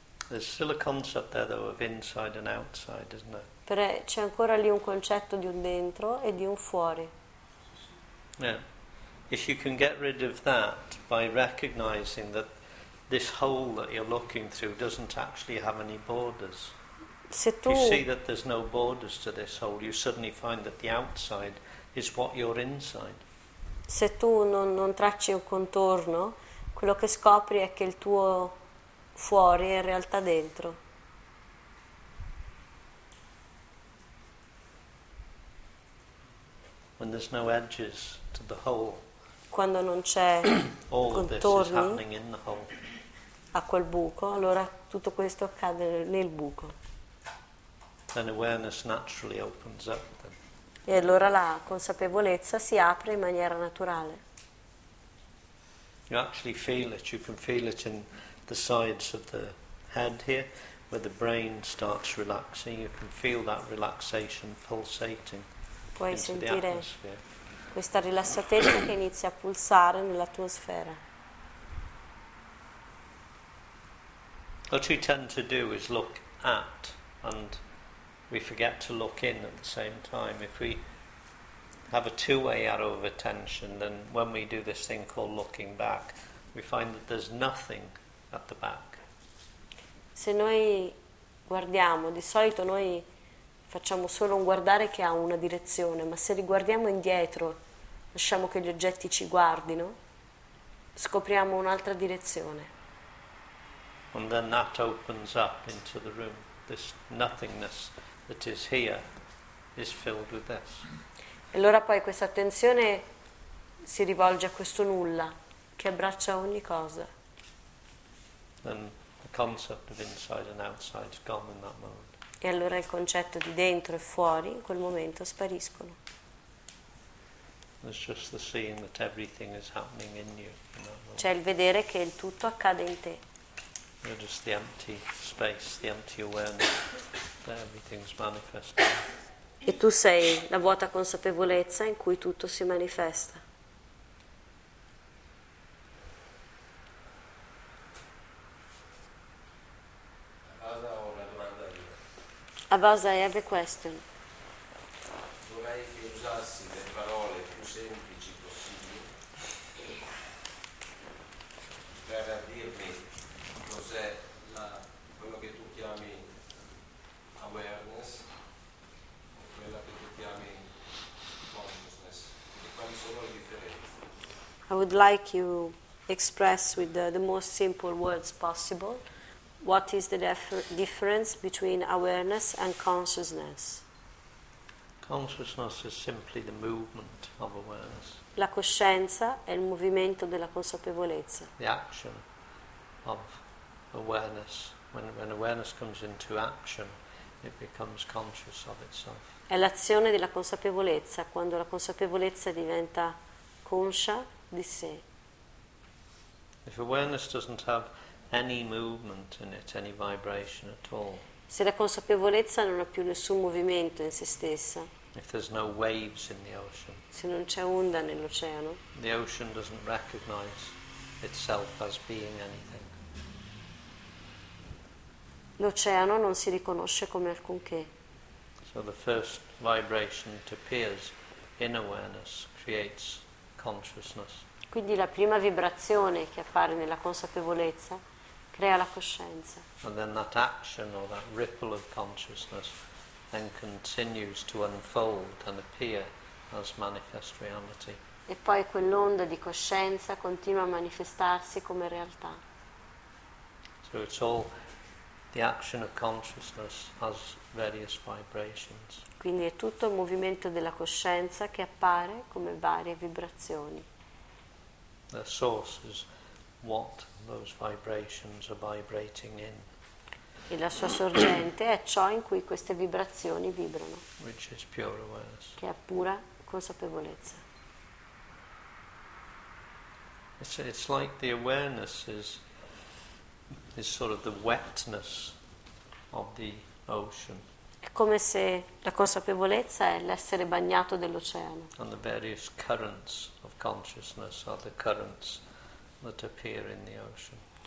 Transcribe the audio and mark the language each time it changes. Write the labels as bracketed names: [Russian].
[English] There's still a concept there, though, of inside and outside, isn't it? [Italian] Però c'è ancora lì un concetto di un dentro e di un fuori. [English] Yeah. If you can get rid of that by recognizing that this hole that you're looking through doesn't actually have any borders. [Italian] Se tu [English] you see that there's no borders to this hole, you suddenly find that the outside is what you're inside. [Italian] Se tu non tracci un contorno, quello che scopri è che il tuo fuori è in realtà dentro. [English] When there's no edges to the hole, [Italian] quando non c'è [English] contorni all this is happening in the hole. [Italian] A quel buco, allora tutto questo accade nel buco. [English] Then awareness naturally opens up then. [Italian] E allora la consapevolezza si apre in maniera naturale. [English] You actually feel it, you can feel it in the sides of the head here, where the brain starts relaxing, you can feel that relaxation pulsating. [Italian] Puoi [English] into [Italian] sentire [English] the atmosphere. [Italian] Questa rilassatezza che inizia a pulsare nell'atmosfera. [English] What we tend to do is look at, and we forget to look in at the same time. If we have a two-way arrow of attention, then when we do this thing called looking back, we find that there's nothing at the back. [Italian] Se noi guardiamo, di solito noi facciamo solo un guardare che ha una direzione, ma se riguardiamo indietro, lasciamo che gli oggetti ci guardino, scopriamo un'altra direzione. [English] And then that opens up into the room. This nothingness that is here is filled with this. [Italian] E allora poi questa attenzione si rivolge a questo nulla che abbraccia ogni cosa. [English] And the concept of inside and outside is gone in that moment. [Italian] E allora il concetto di dentro e fuori in quel momento spariscono. [English] It's just the seeing that everything is happening in you. [Italian] C'è il vedere che il tutto accade in te. [English] You're just the empty space, the empty awareness that everything's manifesting. [Italian] E tu sei la vuota consapevolezza in cui tutto si manifesta. [English] Avasa, I have a question. [Italian] Vorrei che usassi le parole più semplici possibili per dirmi cos'è la, quello che tu chiami awareness, quella che tu chiami consciousness, e quali sono le differenze. [English] I would like you express with the most simple words possible. What is the difference between awareness and consciousness? Consciousness is simply the movement of awareness. [Italian] La coscienza è il movimento della consapevolezza. [English] The action of awareness. When awareness comes into action, it becomes conscious of itself. [Italian] È l'azione della consapevolezza, quando la consapevolezza diventa conscia di sé. [English] If awareness doesn't have any movement in it, any vibration at all. [Italian] Se la consapevolezza non ha più nessun movimento in se stessa. [English] If there's no waves in the ocean. [Italian] Se non c'è onda nell'oceano. [English] The ocean doesn't recognize itself as being anything. [Italian] L'oceano non si riconosce come alcunché. [English] So the first vibration that appears in awareness creates consciousness. [Italian] Quindi la prima vibrazione che appare nella consapevolezza crea la coscienza. [English] And then that action or that ripple of consciousness then continues to unfold and appear as manifest reality. [Italian] E poi quell'onda di coscienza continua a manifestarsi come realtà. [English] So it's all the action of consciousness has various vibrations. [Italian] Quindi è tutto il movimento della coscienza che appare come varie vibrazioni. [English] The source is what those vibrations are vibrating in. [Italian] E la sua sorgente è ciò in cui queste vibrazioni vibrano. [English] Which is pure awareness. [Italian] Che è pura consapevolezza. [English] It's like the awareness is sort of the wetness of the ocean. [Italian] È come se la consapevolezza è l'essere bagnato dell'oceano. [English] And the various currents of consciousness are the currents that appear in the ocean.